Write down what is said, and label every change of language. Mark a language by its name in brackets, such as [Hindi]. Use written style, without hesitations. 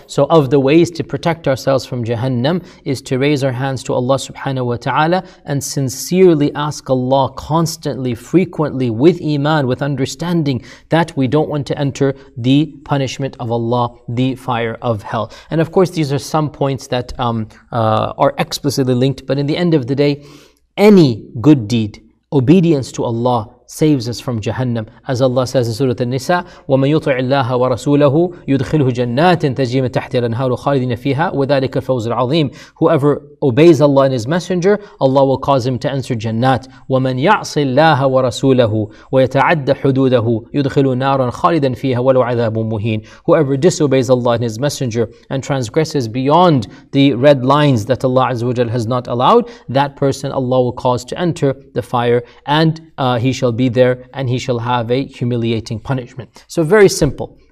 [English] So of the ways to protect ourselves from Jahannam is to raise our hands to Allah subhanahu wa ta'ala and sincerely ask Allah constantly, frequently, with iman, with understanding, that we don't want to enter the punishment of Allah, the fire of hell. And of course, these are some points that are explicitly linked, but in the end of the day, any good deed, obedience to Allah, saves us from Jahannam. As Allah says in Surah An-Nisa, [Arabic] وَمَنْ يُطِعِ اللَّهَ وَرَسُولَهُ يُدْخِلْهُ جَنَّاتٍ تَجْرِي مِنْ تَحْتِهَا الْأَنْهَارُ خَالِدِينَ فِيهَا وَذَلِكَ الْفَوْزُ الْعَظِيمُ. [English] Whoever obeys Allah and His Messenger, Allah will cause him to enter Jannat. [Arabic] وَمَنْ يَعْصِ اللَّهَ وَرَسُولَهُ وَيَتَعَدَّ حُدُودَهُ يُدْخِلُ نَارًا خَالِدًا فِيهَا وَلَوْ عَذَابٌ مُهِينٌ. [English] Whoever disobeys Allah and His Messenger and transgresses beyond the red lines that Allah Azza wa Jalla has not allowed, that person Allah will cause to enter the fire, and he shall be there and he shall have a humiliating punishment. So very simple.